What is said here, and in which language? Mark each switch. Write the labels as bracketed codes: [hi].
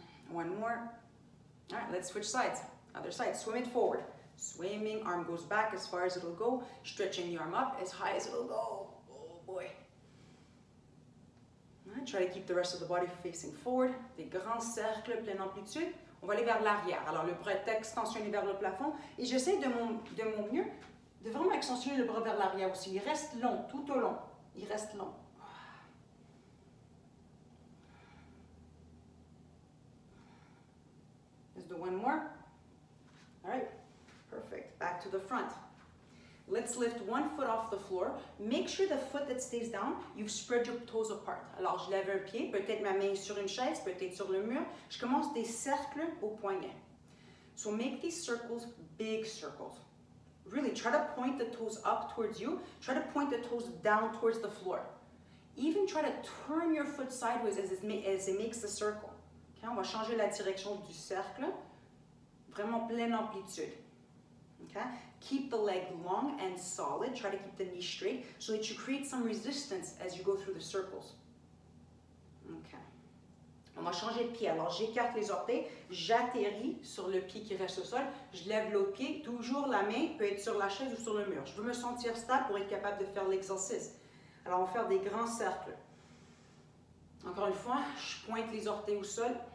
[en] One more. All right, let's switch sides. Other side, swim it forward. Swimming, arm goes back as far as it'll go, stretching the arm up as high as it'll go. Oh boy. Try to keep the rest of the body facing forward. [fr] Des grands cercles, pleine amplitude. On va aller vers l'arrière. Alors, le bras est extensionné vers le plafond. Et j'essaie de mon mieux de vraiment extensionner le bras vers l'arrière aussi. Il reste long, tout au long. Il reste long. [en] Let's do one more. All right. Perfect. Back to the front. Let's lift one foot off the floor. Make sure the foot that stays down, you've spread your toes apart. [fr] Alors, je lève un pied, peut-être ma main sur une chaise, peut-être sur le mur. Je commence des cercles au poignet. [en] So make these circles big circles. Really, try to point the toes up towards you. Try to point the toes down towards the floor. Even try to turn your foot sideways as it makes the circle. [fr] Okay, on va changer la direction du cercle. Vraiment pleine amplitude. [en] Okay? Keep the leg long and solid. Try to keep the knee straight so that you create some resistance as you go through the circles. [fr] Okay. On va changer de pied. Alors, j'écarte les orteils. J'atterris sur le pied qui reste au sol. Je lève l'autre pied. Toujours la main peut être sur la chaise ou sur le mur. Je veux me sentir stable pour être capable de faire l'exercice. Alors, on va faire des grands cercles. Encore une fois, je pointe les orteils au sol.